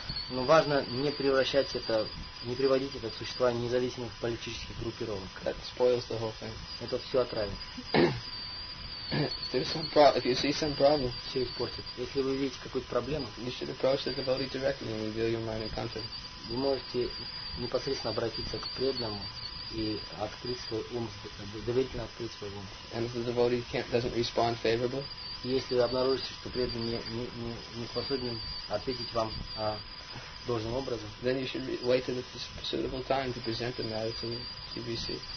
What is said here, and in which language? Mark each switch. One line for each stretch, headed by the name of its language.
Russian: Но важно не превращать это, не приводить это к существованию независимых политических группировок.
English: That spoils the whole thing.
Russian: Это все отравит.
English: If you see some problem,
Russian: все испортит. Если вы видите какую-то проблему,
English: you should approach the devotee directly and reveal your minor concern.
Russian: Вы можете непосредственно обратиться к преданному и открыть свой ум, доверительно открыть свой ум.
English: And if the devotee doesn't respond favorably.
Russian: Если вы обнаружите, что преданный не способен ответить вам должным образом,
English: then you should wait until it's a suitable time to present the matter to GBC.